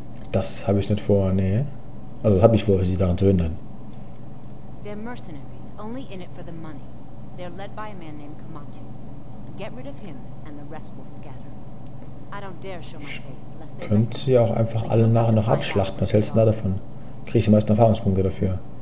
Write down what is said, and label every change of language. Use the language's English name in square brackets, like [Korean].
[German] Das habe ich nicht vor, nee. Also das habe ich vor, sie daran zu hindern. Sie sind [English] Mercenaries, nur in it for the money. They're led by a man named Kamatu. Get rid of him and the rest will scatter. I don't dare show my face, lest they... [German] Könnt sie auch einfach alle nachher noch abschlachten? Was hältst du da davon? Krieg ich die meisten Erfahrungspunkte dafür.